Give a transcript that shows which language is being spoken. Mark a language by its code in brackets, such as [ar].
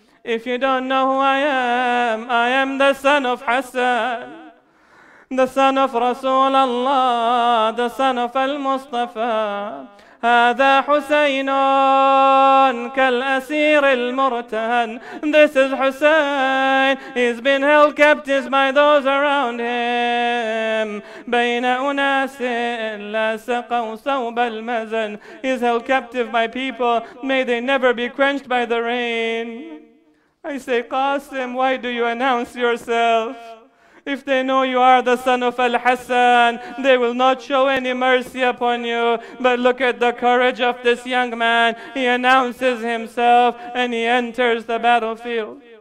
[en] If you don't know who I am the son of Hassan, the son of Rasul Allah, the son of al-Mustafa. [ar] هذا حسين كالأسير المرتهن. [en] This is Hussein. He's been held captive by those around him. [ar] بين أناس لا سقوا صوب المزن. [en] He's held captive by people. May they never be quenched by the rain. I say, Qasim, why do you announce yourself? If they know you are the son of Al-Hassan, they will not show any mercy upon you. But look at the courage of this young man. He announces himself and he enters the battlefield.